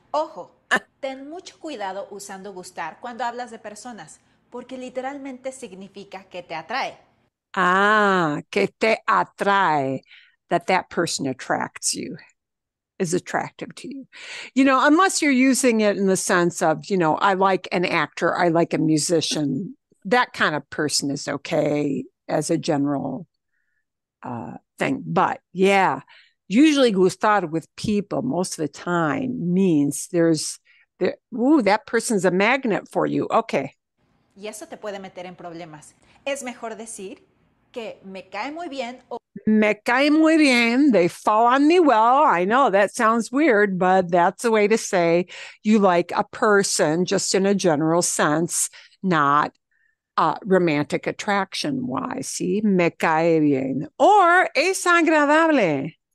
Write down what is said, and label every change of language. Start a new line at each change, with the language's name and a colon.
Spanish: Ojo, ten mucho cuidado usando gustar cuando hablas de personas, porque literalmente significa que te atrae. Ah, que te atrae,
English: that person attracts you, is attractive to you. Unless you're using it in the sense of, I like an actor, I like a musician, that kind of person is okay as a general thing. But yeah, usually gustar with people most of the time means ooh, that person's a magnet for you. Okay.
Spanish: Y eso te puede meter en problemas. Es mejor decir que me cae muy bien o... Me cae muy bien.
English: They fall on me well. I know that sounds weird, but that's a way to say you like a person, just in a general sense, not romantic attraction wise.
Spanish: See, me cae bien. Or es agradable.